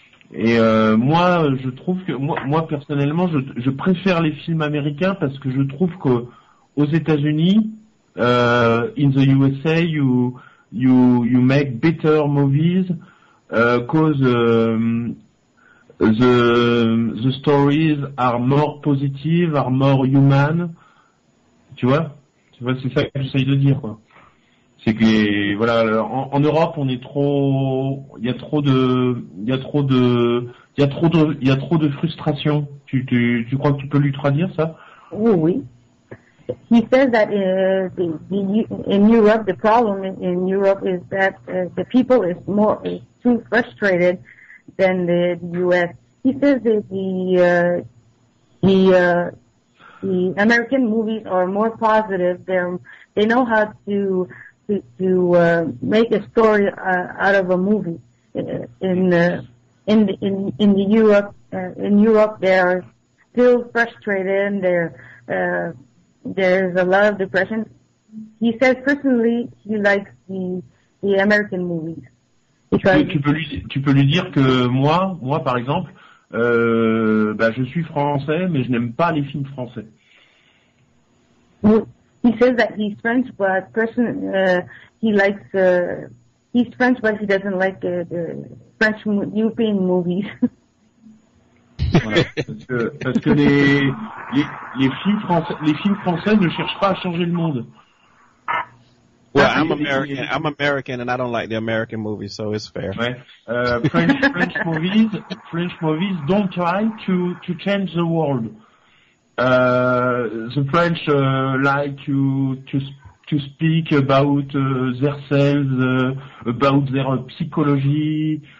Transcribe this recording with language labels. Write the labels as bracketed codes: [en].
[fr] Et moi, je trouve que moi personnellement, je préfère les films américains parce que je trouve que aux États-Unis, [en] in the USA, you make better movies because the stories are more positive, are more human. [fr] Tu vois, c'est ça que j'essaye de dire, quoi. C'est que voilà, en Europe, on est il y a trop de frustration. Tu crois que tu peux lui traduire ça? Oui, oui. [en] He says that in Europe, the problem in Europe is that the people is too frustrated than the US. He says that the American movies are more positive. They know how to make a story out of a movie in Europe they're still frustrated and there's a lot of depression. He says personally he likes the American movies. [fr] Tu peux lui dire que moi par exemple je suis français mais je n'aime pas les films français. [en] He says that he's French, but he's French, but he doesn't like the French European movies. [fr] parce que les films français ne cherchent pas à changer le monde. [en] Well, I'm American. I'm American, and I don't like the American movies, so it's fair. [fr] Ouais. [en] French movies don't try to change the world. The French like to speak about themselves, about their psychology,